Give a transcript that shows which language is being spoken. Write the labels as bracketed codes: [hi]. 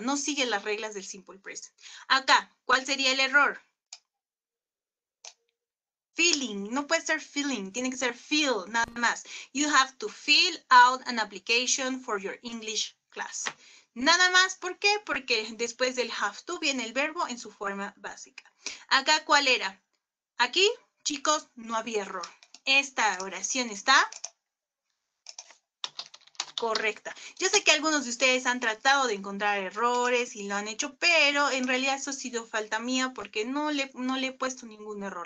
[es] No sigue las reglas del simple present. Acá, ¿cuál sería el error? Feeling, no puede ser feeling, tiene que ser feel, nada más. [en] You have to fill out an application for your English class. [es] Nada más, ¿por qué? Porque después del have to viene el verbo en su forma básica. Acá, ¿cuál era? Aquí, chicos, no había error. Esta oración está correcta. Yo sé que algunos de ustedes han tratado de encontrar errores y lo han hecho, pero en realidad eso ha sido falta mía porque no le he puesto ningún error.